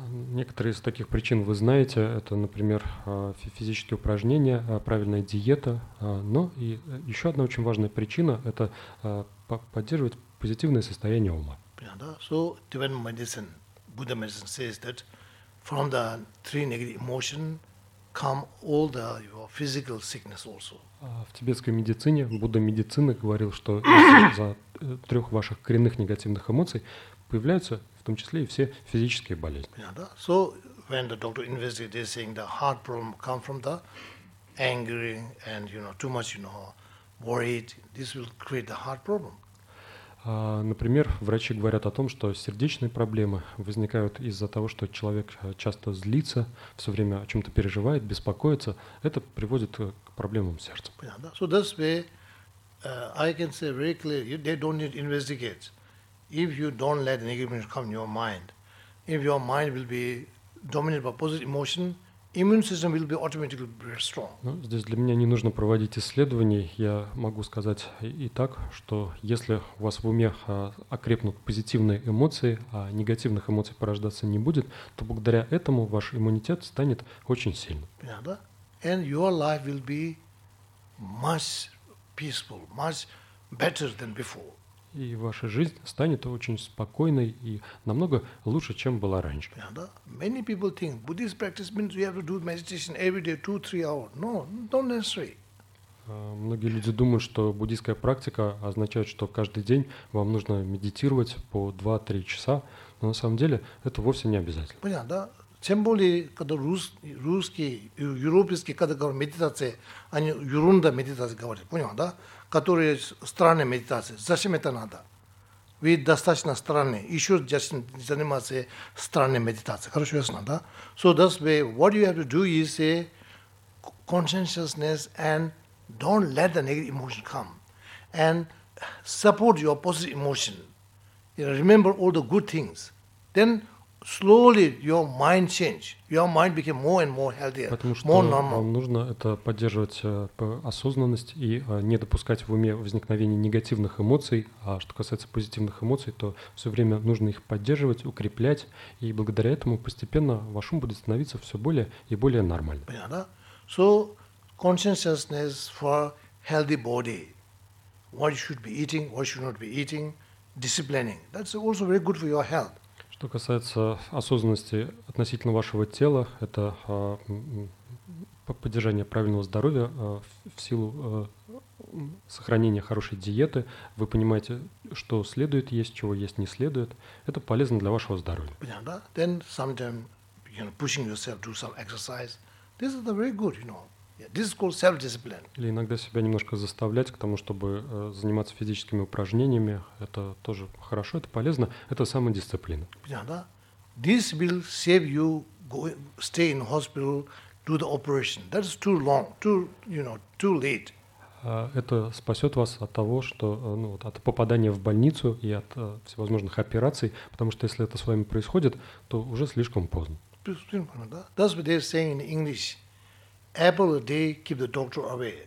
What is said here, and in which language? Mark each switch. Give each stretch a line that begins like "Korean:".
Russian: Некоторые из таких причин вы знаете, это, например, физические упражнения, правильная диета, но и еще одна очень важная причина – это поддерживать позитивное состояние ума.
English: So, Tibetan medicine, Buddha medicine says that from the three negative emotions come all the your physical sickness also.
Russian: В тибетской медицине, Будда медицины говорил, что из-за трех ваших коренных негативных эмоций появляются в том числе и все физические болезни.
English: Yeah,
Russian: да.
English: So when the doctor investigated, they're saying the heart problem come from the angry and you know too much you know worried. This will create the heart problem.
Russian: Например, врачи говорят о том, что сердечные проблемы возникают из-за того, что человек часто злится, все время о чем-то переживает, беспокоится. Это приводит к проблемам сердца.
English: Yeah,
Russian: да.
English: So this way, I can say very clearly, they don't need to investigate. If you don't let negative emotions come in your mind, if your mind will be dominated by positive emotion, immune system will be automatically very strong.
Russian: Ну, здесь для меня не нужно проводить исследований. Я могу сказать и так, что если у вас в уме окрепнут позитивные эмоции, а негативных эмоций порождаться не будет, то благодаря этому ваш иммунитет станет очень сильным.
English: Yeah,
Russian: да?
English: And your life will be much peaceful, much better than before.
Russian: И ваша жизнь станет очень спокойной и намного лучше, чем была раньше.
English: Yeah,
Russian: да.
English: Many people think Buddhist practice means you have to do meditation every day 2-3 hours. No, not necessary.
Russian: Многие люди думают, что буддийская практика означает, что каждый день вам нужно медитировать по 2-3 часа, но на самом деле это вовсе не обязательно. Понятно, да. Тем более, когда русские, европейские, когда говорят медитация, они ерунда медитация говорят, понял, да? Которые странные медитации. Зачем это надо? Ведь достаточно странные. Еще заниматься странной медитацией. Хорошо, ясно, да?
English: So that's why what you have to do is a conscientiousness and don't let the negative emotion come. And support your positive emotion. You know, remember all the good things. Then slowly your mind change. Your mind became more and more healthier,
Russian: потому что
English: more normal.
Russian: Вам нужно это поддерживать осознанность и не допускать в уме возникновения негативных эмоций. А что касается позитивных эмоций, то все время нужно их поддерживать, укреплять, и благодаря этому постепенно ваш ум будет становиться все более и более нормальным. Понятно?
English: So consciousness for healthy body. What you should be eating, what you should not be eating, disciplining. That's also very good for your health.
Russian: Что касается осознанности относительно вашего тела, это поддержание правильного здоровья в силу сохранения хорошей диеты. Вы понимаете, что следует есть, чего есть не следует. Это полезно для вашего здоровья.
English: Yeah,
Russian: да?
English: Then sometimes you know pushing yourself to do some exercise. This is the very good, you know. This is called self-discipline.
Russian: Или иногда себя немножко заставлять к тому, чтобы заниматься физическими упражнениями, это тоже хорошо, это полезно, это самодисциплина.
English: Yeah,
Russian: да?
English: This will save you stay in hospital, do the operation. That is too long, too late.
Russian: Это спасет вас от того, что от попадания в больницу и от всевозможных операций, потому что если это с вами происходит, то уже слишком поздно.
English: That's what they're saying in English. Apple a day keep the doctor away.